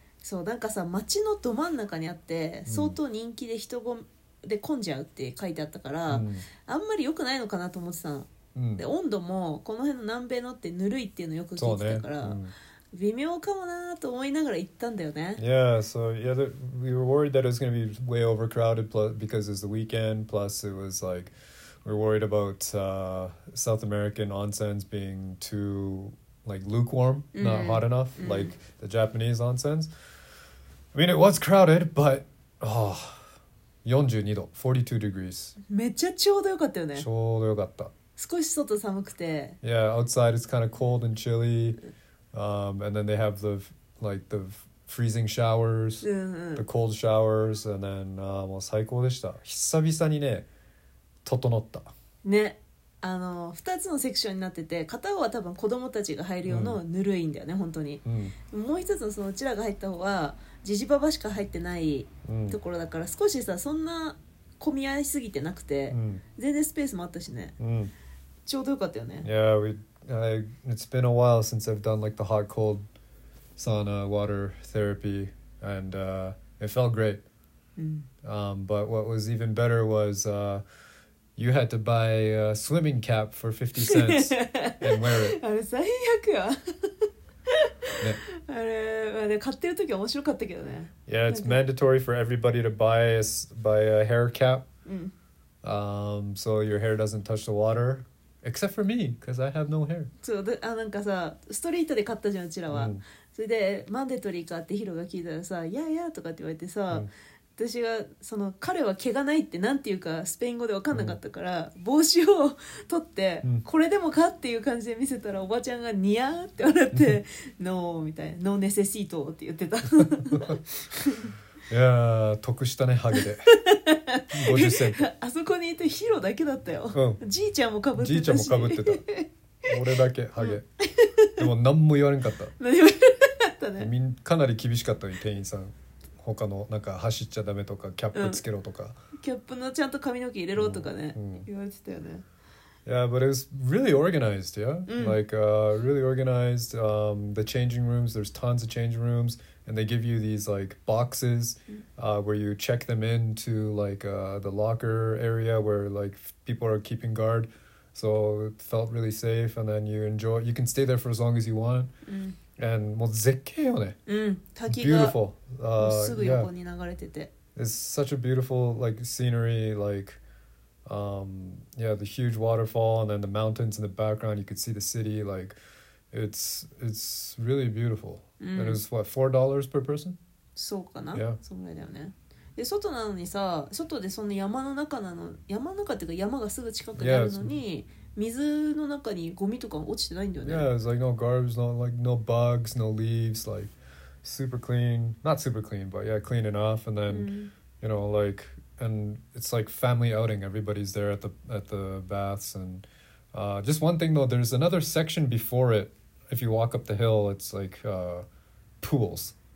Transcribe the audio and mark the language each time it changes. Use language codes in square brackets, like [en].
[ja] そう、なんかさ、街のど真ん中にあって、相当人気で人混で混んじゃうって書いてあったから、あんまり良くないのかなと思ってたの。で、温度もこの辺の南米のってぬるいっていうのよく聞いてたから、微妙かもなと思いながら行ったんだよね。 [en] Yeah, so yeah, we were worried that it was going to be way overcrowded because it's the weekend, plus it was like we were worried about South American onsens being too like lukewarm, not hot enough like the Japanese onsens. I mean, it was crowded, but 42 度, 42 degrees. [ja] めっちゃちょうどよかったよね。ちょうどよかった。少し外寒くて。 [en] Yeah, outside it's kind of cold and chilly. And then they have the like the freezing showers, the cold showers, and then [ja] もう最高でした。久々にね、整った。ね、あの二つのセクションになってて、片方は多分子供たちが入る用のぬるいんだよね、本当に。もう一つのそのうちらが入った方はジジババしか入ってないところだから、少しさそんな混み合いすぎてなくて、全然スペースもあったしね。ちょうどよかったよね。 [en] Yeah, we. It's been a while since I've done like the hot cold sauna water therapy and it felt great. But what was even better was you had to buy a swimming cap for 50 cents and wear it. [ja] あれ最悪や。あれ、買ってる時面白かったけどね。 [en] Yeah, it's mandatory for everybody to buy a hair cap. So your hair doesn't touch the water. Except for me, because I have no hair. [ja] そう、あ、なんかさ、ストリートで買ったじゃん、うちらは。それで、マンデトリーかってヒロが聞いたらさ、いやいやとかって言われてさ、私が、その、彼は毛がないってなんていうか、スペイン語で分かんなかったから、帽子を取って、これでもかっていう感じで見せたら、おばちゃんがニヤーって笑って、ノーみたいな、ノーネセシートって言ってた。いやー、得したね、ハゲで。 50セント。あそこにいてヒロだけだったよ。じいちゃんもかぶってたし。じいちゃんもかぶってた。俺だけ、ハゲ。でも何も言われんかった。何も言われなかったね。かなり厳しかったよ、店員さん。他の、なんか走っちゃダメとか、キャップつけろとか。キャップのちゃんと髪の毛入れろとかね、言われてたよね。 [en] Yeah, but it was really organized, yeah? Like, really organized. The changing rooms, there's tons of changing rooms. And they give you these, like, boxes where you check them into, like, the locker area where, like, people are keeping guard. So it felt really safe. And then you enjoy, you can stay there for as long as you want. [ja] And, もう絶景よね。滝が [en] beautiful. [ja] すぐ横に流れてて。 [en] It's such a beautiful, like, scenery, like... yeah, the huge waterfall and then the mountains in the background, you could see the city, like, it's really beautiful. And it was, what, $4 per person? [ja] そうかな、 [en] yeah. [ja] そんぐらいだよね。で外なのにさ、外でその山の中なの、山の中っていうか山がすぐ近くにあるのに、 [en] yeah, [ja] 水の中にゴミとか落ちてないんだよね。 [en] Yeah, it's like no garbage, no, like, no bugs, no leaves, like super clean, not super clean, but yeah, clean enough. And then,、 [ja] うん、 [en] you know, like, and it's like family outing, everybody's there at the baths. And、just one thing though, there's another section before it, if you walk up the hill, it's like、pools.